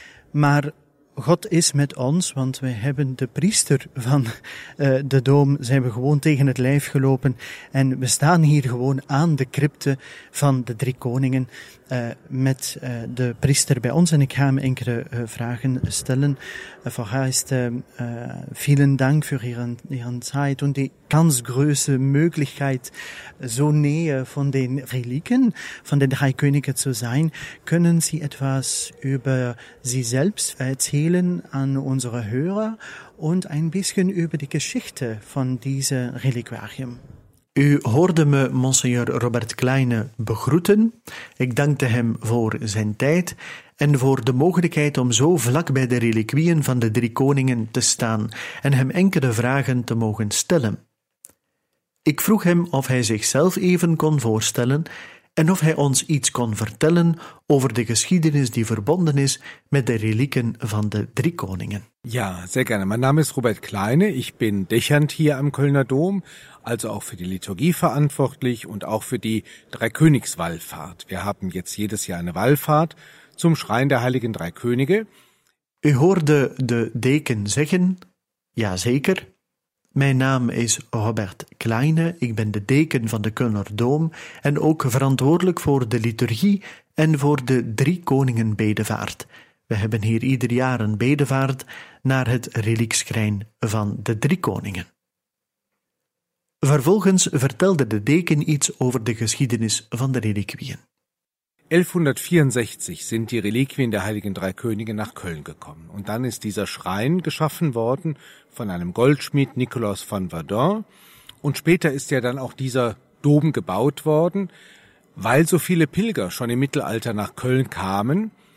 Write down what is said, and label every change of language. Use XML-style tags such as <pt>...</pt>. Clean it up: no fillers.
<nl>Maar God is met ons, want we hebben de priester van de Doom, zijn we gewoon tegen het lijf gelopen. En we staan hier gewoon aan de crypte van de drie koningen met de priester bij ons. En ik ga hem enkele vragen stellen.</nl> <de>Vorerst, vielen Dank voor Ihren Zeit und die ganz große Möglichkeit, so nähe von den Reliken, von den drei Königen zu sein. Können Sie etwas über Sie selbst erzählen an unsere Hörer und ein bisschen über die Geschichte von diesem Reliquarium?</de> <nl>U hoorde me Monseigneur Robert Kleine begroeten. Ik dankte hem voor zijn tijd en voor de mogelijkheid om zo vlak bij de reliquieën van de drie koningen te staan en hem enkele vragen te mogen stellen. Ik vroeg hem of hij zichzelf even kon voorstellen en of hij ons iets kon vertellen over de geschiedenis die verbonden is met de relieken van de drie koningen.</nl> <de>Ja, sehr gerne. Mein Name ist Robert Kleine. Ich bin Dechant hier am Kölner Dom, also auch für die Liturgie verantwortlich und auch für die Dreikönigswallfahrt. Wir haben jetzt jedes Jahr eine Wallfahrt zum Schrein der Heiligen Drei Könige.</de> <nl>U hoorde de deken zeggen, ja zeker. Mijn naam is Robert Kleine, ik ben de deken van de Kölner Dom en ook verantwoordelijk voor de liturgie en voor de Drie Koningen Bedevaart. We hebben hier ieder jaar een bedevaart naar het reliekschrijn van de Drie Koningen. Vervolgens vertelde de deken iets over de geschiedenis van de reliquieën.</nl> <de>1164 sind die Reliquien der Heiligen Drei Könige nach Köln gekommen. Und dann ist dieser Schrein geschaffen worden von einem Goldschmied, Nikolaus von Verdun. Und später ist ja dann auch dieser Dom gebaut worden, weil so viele Pilger schon im Mittelalter nach Köln kamen.</de>